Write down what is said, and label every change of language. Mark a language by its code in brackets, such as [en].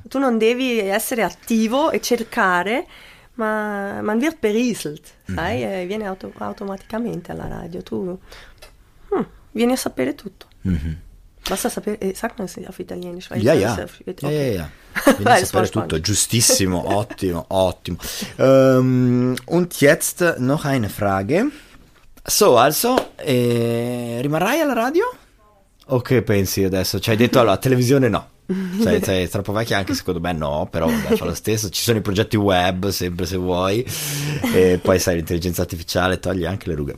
[it] Tu non devi essere attivo e cercare, ma [de] man wird berieselt, [it] sai, mm-hmm. Viene automaticamente alla radio. Tu vieni a sapere tutto. Mm-hmm. Basta sapere, sai come si chiama in italiano? Vieni a sapere tutto, giustissimo, ottimo, ottimo. [de] Und jetzt noch eine Frage. [it] So, also, rimarrai alla radio? O che pensi adesso? Cioè, hai detto, allora, televisione no. Sei troppo vecchia, anche secondo me no, però vabbè, fa lo stesso. Ci sono i progetti web, sempre se vuoi. E poi sai, l'intelligenza artificiale toglie anche le rughe.